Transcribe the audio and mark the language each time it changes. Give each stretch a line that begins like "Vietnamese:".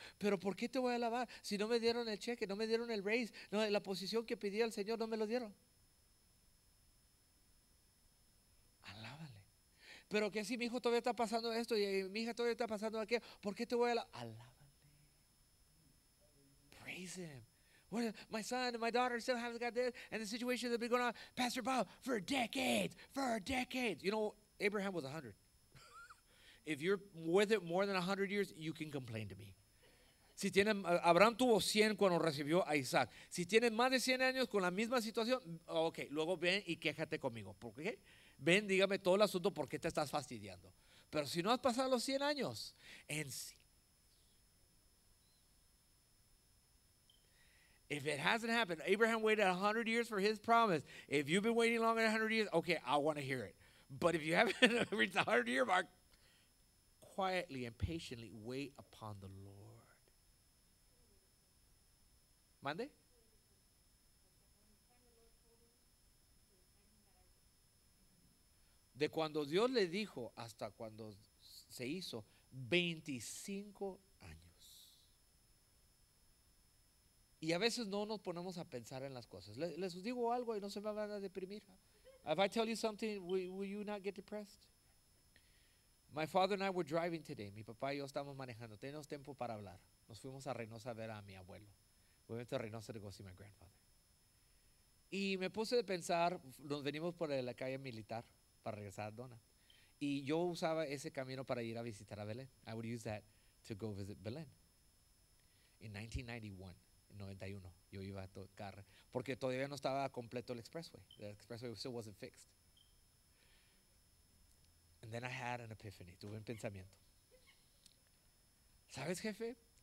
Spanish: Pero ¿por qué te voy a alabar si no me dieron el cheque, no me dieron el raise, no, la posición que pedí al Señor no me lo dieron? Alábale. Pero que si mi hijo todavía está pasando esto y mi hija todavía está pasando aquello, ¿por qué te voy a alabar? Alábale.
English: Praise Him. Well, my son and my daughter still haven't got this, and the situation that's been going on, Pastor Bob, for decades. You know, Abraham was 100. If you're with it more than 100 years, you can complain to me.
Spanish: Si tiene, Abraham tuvo 100 cuando recibió a Isaac. Si tiene más de 100 años con la misma situación, ok, luego ven y quéjate conmigo. ¿Por qué? Ven, dígame todo el asunto, ¿por qué te estás fastidiando? Pero si no has pasado los 100 años, en sí.
English: If it hasn't happened, Abraham waited 100 years for his promise. If you've been waiting longer than 100 years, okay, I want to hear it. But if you haven't reached the 100-year mark, quietly and patiently wait upon the Lord.
Spanish: ¿Mande? De cuando Dios le dijo hasta cuando se hizo, 25 años. Y a veces no nos ponemos a pensar en las cosas. Les digo algo y no se me van a deprimir.
English: If I tell you something, will you not get depressed? My father and I were driving today.
Spanish: Mi papá y yo estamos manejando. Tenemos tiempo para hablar. Nos fuimos a Reynosa a ver a mi abuelo.
English: We went to Reynosa to go see my grandfather.
Spanish: Y me puse a pensar, nos venimos por la calle militar para regresar a Donna. Y yo usaba ese camino para ir a visitar a Belén.
English: I would use that to go visit Belén.
Spanish: In 1991, yo iba a tocar, porque todavía no estaba completo el expressway.
English: The expressway still wasn't fixed. And then I had an epiphany,
Spanish: tuve un pensamiento. ¿Sabes, jefe?